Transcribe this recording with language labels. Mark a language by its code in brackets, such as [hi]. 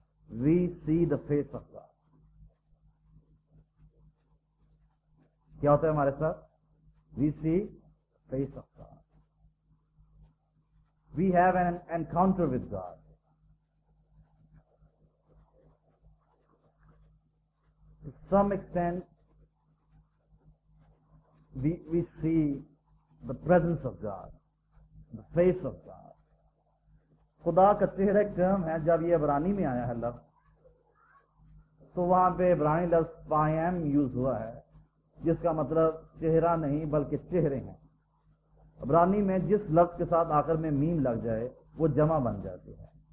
[en] We see the face of God. [ur] کیا ہوتا ہے ہمارے ساتھ؟ [en] We see face of God, we have an encounter with God. To some extent we see the presence of God, the face of God. [ur] خدا کا چہرہ ایک term ہے. جب یہ عبرانی میں آیا ہے لفظ, تو وہاں پہ عبرانی لفظ پائم یوز ہوا ہے, جس کا مطلب چہرہ نہیں بلکہ چہرے ہیں. عبرانی میں جس لفظ کے ساتھ آخر میں میم لگ جائے وہ جمع بن جاتی ہے.